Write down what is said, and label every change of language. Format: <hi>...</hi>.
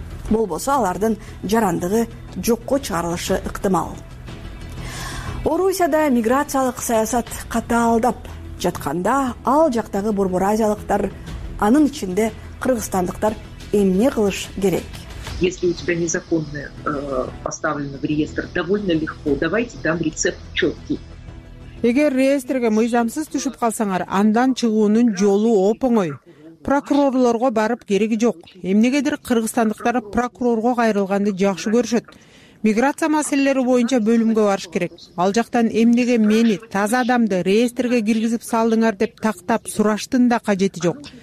<ky>Болбосо алардын жарандыгы жокко чыгарылышы ыктымал. Орусияда миграциялык саясат катаалдап жатканда, ал жактагы борбораздыктар, анын ичинде кыргызстандыктар эмне кылыш керек?</ky> <ru>Если у тебя незаконное поставлено в реестр, довольно легко. Давайте дам рецепт четкий.</ru> <ky>Эгер реестрге мыйзамсыз түшүп калсаңар, андан чыгуунун жолу опоңой. Прокурорлорго барып кереги жок. Эмнегедир кыргызстандыктар прокурорго кайрылганды жакшы көрүшөт. Миграция маселелери боюнча бөлүмгө барыш керек. Ал жактан эмнеге мени, таза адамды реестрге киргизип салдыңар деп тактап сураштын да кажети жок.</ky>